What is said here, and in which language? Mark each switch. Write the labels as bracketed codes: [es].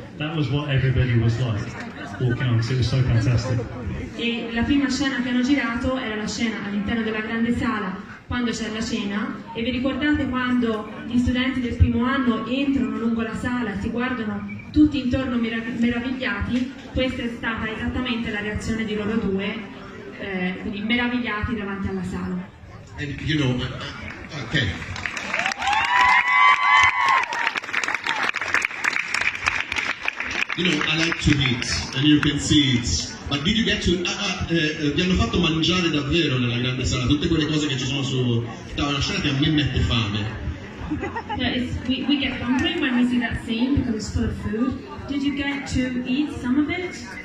[en] That was what everybody was like walking on, so it was so fantastic. [it] E la prima scena che hanno girato era la scena all'interno della grande sala quando c'è la cena. E vi ricordate quando gli studenti del primo anno entrano lungo la sala e si guardano tutti intorno meravigliati? Questa è stata esattamente la reazione di loro due, quindi meravigliati davanti alla sala. [en] And you know, okay. You know, I like to eat, and you can see it. But did you get to... [it] vi hanno fatto mangiare davvero nella grande sala? Tutte quelle cose che ci sono su... Stava una scena che a me mette fame. [en] We get hungry when we see that scene, because it's full of food. Did you get to eat some of it?